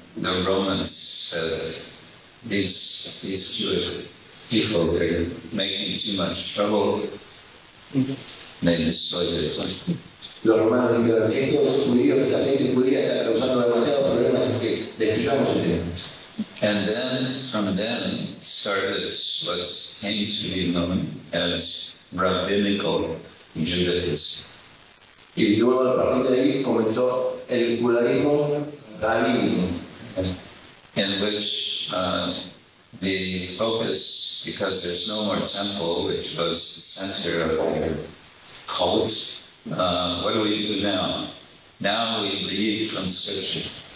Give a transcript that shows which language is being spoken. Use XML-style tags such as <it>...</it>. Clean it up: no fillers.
<en>The Romans said, these Jewish people, they're making too much trouble. They destroyed their temple.</en> <es>Los romanos dijeron, estos judíos, la gente judía está causando demasiados problemas, que destruyamos el templo.</es> <en>And then, from then, started what came to be known as rabbinical Judaism.</en> <es>Y luego, a partir de ahí, comenzó el judaísmo rabínico.</es> <en>In which the focus, because there's no more temple, which was the center of the cult, what do we do now? Now we read from scripture.</en>